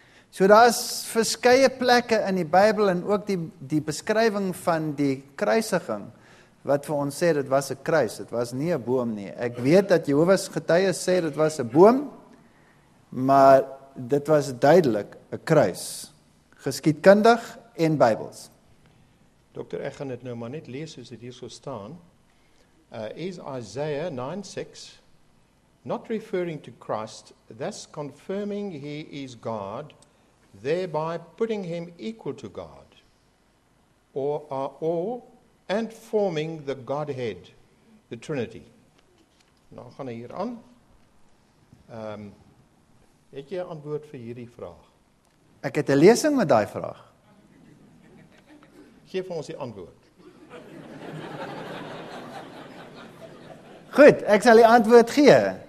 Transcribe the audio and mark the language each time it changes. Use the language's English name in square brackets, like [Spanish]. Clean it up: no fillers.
[Afrikaans] So daar is verskeie plekke in die Bybel en ook die beskrywing van die kruisiging wat vir ons sê dit was 'n kruis, dit was nie 'n boom nie. Ek weet dat Jehovah's getuies sê dit was 'n boom, maar dit was duidelik 'n kruis, geskiedkundig en Bybels. Dokter, ek gaan dit nou maar net lees soos dit hier so staan. [English] Is Isaiah 9:6 not referring to Christ, thus confirming he is God, thereby putting him equal to God, or and forming the Godhead, the Trinity. [Afrikaans] Nou gaan hy hier aan. Het jy 'n antwoord vir hierdie vraag? Ek het 'n lesing met daai vraag. Geef ons die antwoord. Goed, ek sal die antwoord gee.